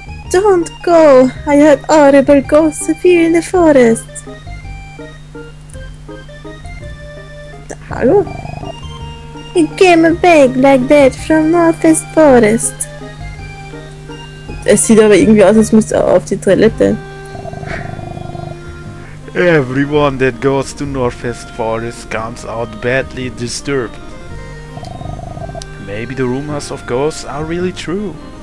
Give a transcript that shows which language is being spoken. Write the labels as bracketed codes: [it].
[en] Don't go! I heard horrible ghosts appear in the forest! Hallo? It came a bag like that from Northwest Forest! [de] Es sieht aber irgendwie aus, als müsste er auf die Toilette. [en] Everyone that goes to Northwest Forest comes out badly disturbed. Maybe the rumors of ghosts are really true.